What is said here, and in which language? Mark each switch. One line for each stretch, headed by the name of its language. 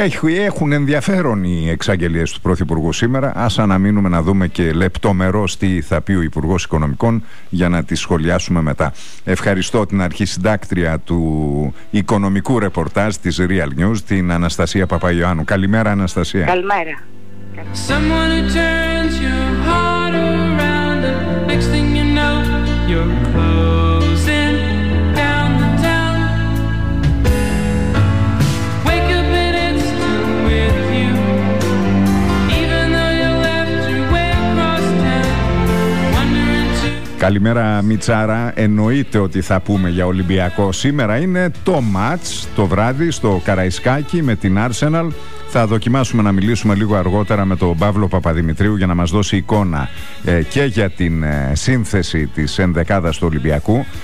Greek: Έχουν ενδιαφέρον οι εξαγγελίες του Πρωθυπουργού σήμερα. Ας αναμείνουμε να δούμε και λεπτομερώς τι θα πει ο Υπουργός Οικονομικών για να τις σχολιάσουμε μετά. Ευχαριστώ την αρχισυντάκτρια του οικονομικού ρεπορτάζ της Real News, την Αναστασία Παπαϊωάννου. Καλημέρα, Αναστασία. Καλημέρα.
English: Someone who turns your heart around, and next thing you know, you're closing down the town. Wake up and it's still with you, even though you left your way across town, wondering to...
Greek: Καλημέρα, Μιτσάρα. Εννοείται ότι θα πούμε για Ολυμπιακό. Σήμερα είναι το match το βράδυ στο Καραϊσκάκι με την Arsenal. Θα δοκιμάσουμε να μιλήσουμε λίγο αργότερα με τον Παύλο Παπαδημητρίου για να μας δώσει εικόνα και για την σύνθεση της ενδεκάδας του Ολυμπιακού.